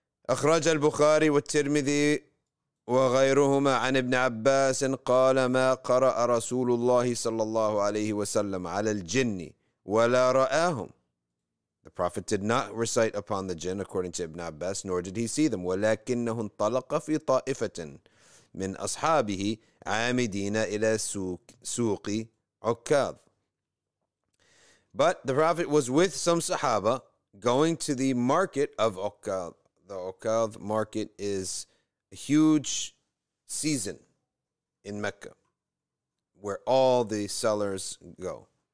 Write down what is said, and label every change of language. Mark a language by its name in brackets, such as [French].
[Arabic] أخرج البخاري والترمذي وغيرهما عن ابن عباس قال ما قرأ رسول الله صلى الله عليه وسلم على الجن ولا رآهم. [English] The Prophet did not recite upon the jinn according to Ibn Abbas, nor did he see them. [Arabic] ولكنه انطلق في طائفة من أصحابه عامدين إلى سوق عكاظ. [English] But the Prophet was with some Sahaba going to the market of عكاظ. The Uqadh market is a huge season in Mecca where all the sellers go.